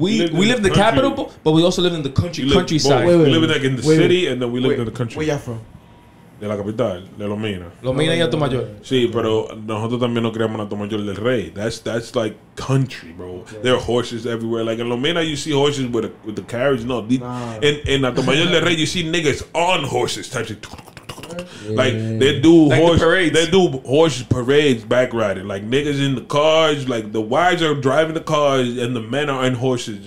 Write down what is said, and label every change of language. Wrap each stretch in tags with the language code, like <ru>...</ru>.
<en>Because we lived in the capital, but we also lived in the countryside. We lived in the city, and then we lived in the country. Where y'all from?</en> <es>De la capital, de Lomina. Lomina y Alto Mayor. Sí, pero nosotros también nos creamos en Alto Mayor del Rey.</es> <en>That's like country, bro. Yeah. There are horses everywhere. Like in Lomina, you see horses with the carriage. No, in Alto Mayor del Rey, you see niggas on horses. Types of like they do like horse the parades. They do horse parades, back riding. Like niggas in the cars. Like the wives are driving the cars, and the men are in horses.</en>